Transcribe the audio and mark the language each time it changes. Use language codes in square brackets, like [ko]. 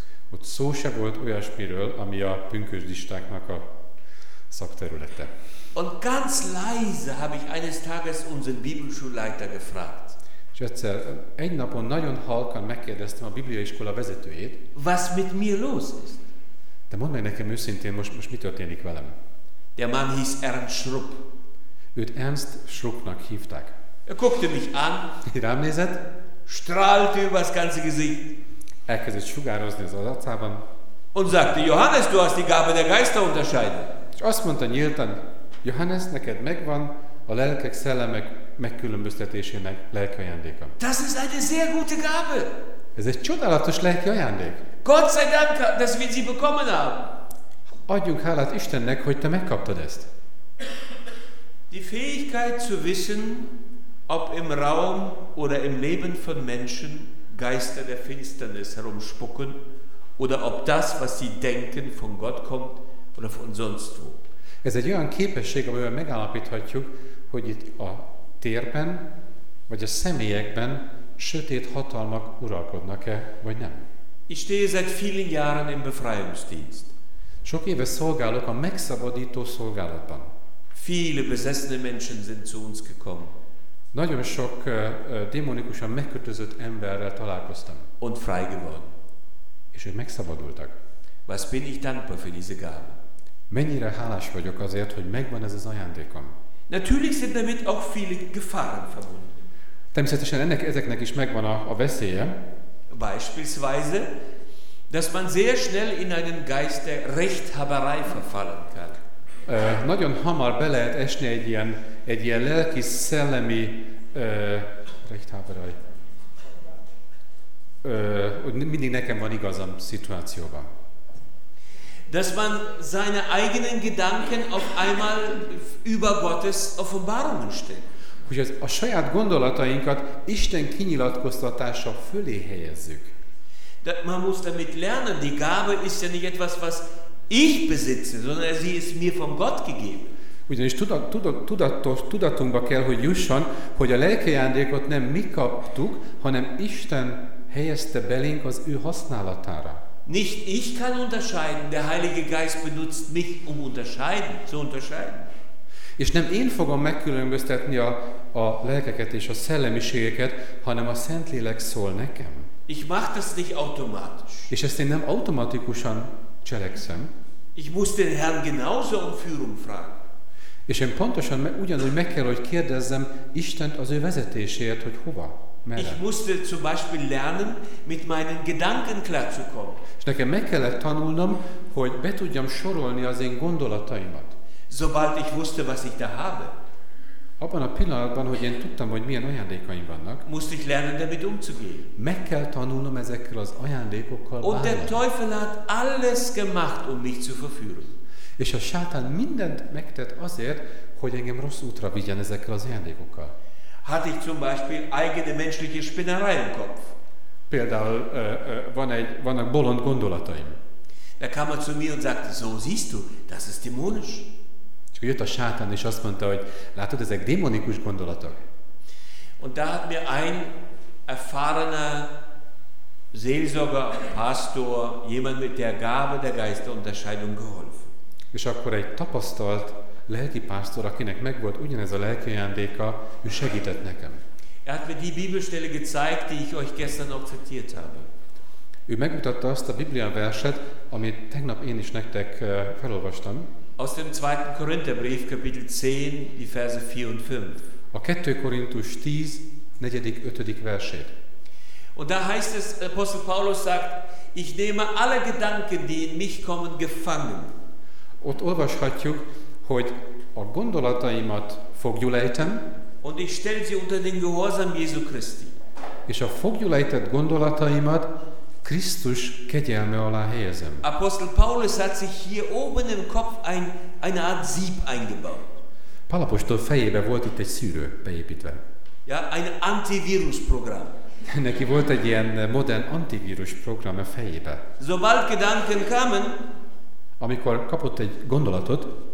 [hu] Ott szó se volt olyasmiről, ami a pünkösdistáknak a szakterülete. [de] Und ganz leise habe ich eines Tages unseren Bibelschulleiter gefragt. [hu] És egyszer, egy napon nagyon halkan megkérdeztem a Bibliaiskola vezetőjét. [de] Was mit mir los ist? [hu] De mondd meg nekem őszintén, most mi történik velem? [de] Der Mann hieß Ernst Schrupp. [hu] Őt Ernst Schruppnak hívták. [de] Er guckte mich an. [hu] Rám nézett. [de] Strahlte über das ganze Gesicht. [hu] Elkezdett sugározni az arcában. [de] Und sagte, Johannes, du hast die Gabe der Geister unterscheiden. [hu] És azt mondta nyíltan, Johannes, neked megvan a lelkek, szellemek megkülönböztetésének lelki ajándéka. [de] Das ist eine sehr gute Gabe. [hu] Ez egy csodálatos lelki ajándék. [de] Gott sei Dank, dass wir sie bekommen haben. [hu] Adjunk hálát Istennek, hogy te megkaptad ezt. [de] Die Fähigkeit zu wissen, ob im Raum oder im Leben von Menschen Geister der Finsternis herumspucken oder ob das, was sie denken, von Gott kommt oder von sonst wo. [hu] Ez egy olyan képesség, amivel megállapíthatjuk, hogy itt a térben, vagy a személyekben sötét hatalmak uralkodnak-e, vagy nem. [de] Ich stehe seit vielen Jahren im Befreiungsdienst. [hu] Sok éve szolgálok a megszabadító szolgálatban. [de] Viele besessene Menschen sind zu uns gekommen. [hu] Nagyon sok démonikusan megkötözött emberrel találkoztam. [de] Und frei geworden. [hu] És ők megszabadultak. [de] Was bin ich dankbar für diese Gabe? [hu] Mennyire hálás vagyok azért, hogy megvan ez az ajándékom. [de] Natürlich sind damit auch viele Gefahren verbunden. [hu] Természetesen ezeknek is megvan a veszélye. [de] Beispielsweise, dass man sehr schnell in einen Geist der Rechthaberei verfallen kann. [hu] Nagyon hamar be lehet esni egy ilyen lelki szellemi rechthaberei. Hogy mindig nekem van igazam szituációban. [de] Dass man seine eigenen Gedanken auf einmal über Gottes Offenbarungen stellt. [hu] Hogy a saját gondolatainkat Isten kinyilatkoztatása fölé helyezzük. [de] De man muss damit lernen, die Gabe ist ja nicht etwas, was ich besitze, sondern sie ist mir von Gott gegeben. [hu] Ugyanis tudatunkba kell, hogy jusson, hogy a lelkiajándékot nem mi kaptuk, hanem Isten helyezte belénk az ő használatára. [de] Nicht ich kann unterscheiden, der Heilige Geist benutzt mich, um unterscheiden, zu unterscheiden. [hu] És nem én fogom megkülönböztetni a lelkeket és a szellemiségeket, hanem a Szentlélek szól nekem. [de] Ich mach das nicht automatisch. [hu] És ezt én nem automatikusan cselekszem. [de] Ich muss den Herrn genauso um Führung fragen. [hu] És én pontosan ugyanúgy meg kell, hogy kérdezzem Istent az ő vezetéséért, hogy hova. Mellett. [de] Ich musste zum Beispiel lernen, mit meinen Gedanken klarzukommen. [hu] És nekem meg kellett tanulnom, hogy be tudjam sorolni az én gondolataimat. [de] Sobald ich wusste, was ich da habe. [hu] Abban a pillanatban, hogy én tudtam, hogy milyen ajándékaim vannak. [de] Musste ich lernen, damit umzugehen. [hu] Meg kell tanulnom ezekkel az ajándékokkal bánni. [de] Und der Teufel hat alles gemacht, um mich zu verführen. [hu] És a sátán mindent megtett azért, hogy engem rossz útra vigyen ezekkel az ajándékokkal. [de] Hatte ich zum Beispiel eigene menschliche Spinnerei im Kopf. [hu] Például vannak bolond gondolataim. [de] Da kam er zu mir und sagte, so siehst du, das ist dämonisch. [hu] És akkor jött a sátán és azt mondta, hogy látod, ezek démonikus gondolatok. [de] Und da hat mir ein erfahrener Seelsorger, Pastor, jemand mit der Gabe der Geisterunterscheidung geholfen. [hu] És akkor egy tapasztalt lelki pásztor, akinek megvolt ugyanez a lelki ajándéka, ő segített nekem. [de] Er hat mir die Bibelstelle gezeigt, die ich euch gestern noch zitiert habe. [hu] Ő megmutatta azt a Biblia verset, amit tegnap én is nektek felolvastam. [de] Aus dem 2. Korintherbrief, Kapitel 10, die Verse 4 und 5. [hu] A 2. Korintus 10, 4. 5. versét. [de] Und da heißt es, Apostel Paulus sagt, ich nehme alle Gedanken, die in mich kommen, gefangen. [hu] Ott olvashatjuk, hogy a gondolataimat foggyulejtem. [de] Und ich stell sie unter den Gehorsam Jesu Christi. [hu] És a foggyulejtett gondolataimat Krisztus kegyelme alá helyezem. [de] Apostel Paulus hat sich hier oben im Kopf eine Art Sieb eingebaut. [hu] Pál apostol fejébe volt itt egy szűrő beépítve. [de] Ja, ein Antivirusprogramm. [hu] Neki volt egy ilyen modern antivírusprogram a fejébe. [de] Sobald Gedanken kamen, [hu] amikor kapott egy gondolatot,